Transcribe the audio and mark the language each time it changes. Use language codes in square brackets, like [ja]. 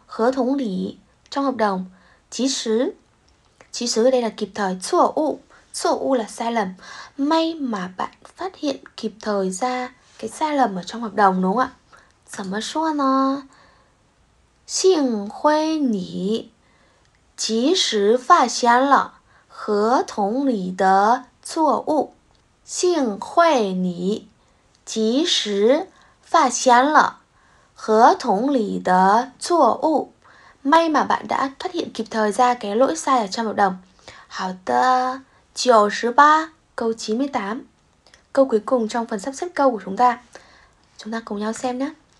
[vi] 合同里, trong hợp đồng, 及时 đây là kịp thời, 错误 là sai lầm, may mà bạn phát hiện kịp thời ra cái sai lầm ở trong hợp đồng đúng không ạ? [zh] 怎么说呢? 幸亏你及时发现了合同里的错误。幸会你及时发现了合同里的错误。 [vi] May mà bạn đã phát hiện kịp thời ra cái lỗi sai ở trong hợp đồng. Hào tơ, 93, câu 98. Câu cuối cùng trong phần sắp xếp câu của chúng ta. Chúng ta cùng nhau xem nhé.